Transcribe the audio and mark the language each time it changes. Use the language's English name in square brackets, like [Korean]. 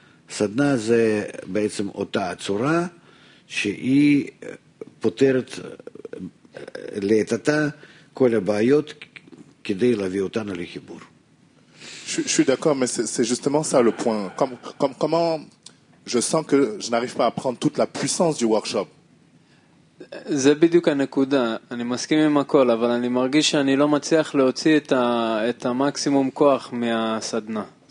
[Hebrew] סדנה זה בעצם אותה הצורה שהיא פותרת להתעתה כל הבעיות כדי להביא אותנו לחיבור. [French] Je suis d'accord, mais c'est justement ça le point. Comment je sens que je n'arrive pas à prendre toute la puissance du workshop. [Hebrew] זה בדיוק הנקודה. אני מסכים עם הכל, אבל אני מרגיש שאני לא מצליח להוציא את המקסימום כוח מהסדנה.